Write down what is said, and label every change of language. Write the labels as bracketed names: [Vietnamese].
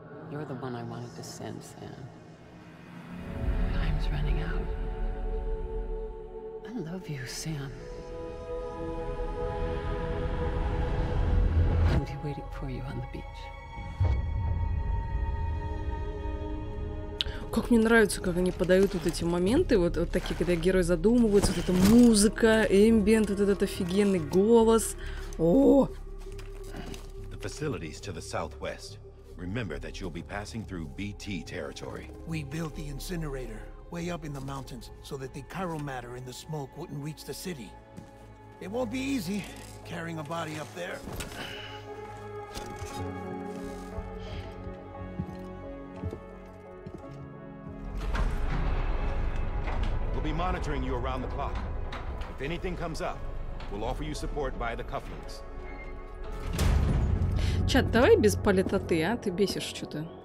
[English] You're the one I wanted to send, Sam. Time's running out. I love you, Sam. I'll be waiting for you on the beach. [Russian] Как мне нравится, как они подают вот эти моменты, вот, вот такие, когда герой задумывается, вот эта музыка, эмбиент, вот этот офигенный голос. О! [English] The facilities to the southwest. Remember that you'll be passing through BT territory. We built the incinerator way up in the mountains so that the chiral matter in the smoke wouldn't reach the city. It won't be easy carrying a body up there. We'll be monitoring you around the clock. If anything comes up, we'll offer you support via the cufflinks. [Russian] Чат, давай без политоты, а? Ты бесишь что-то.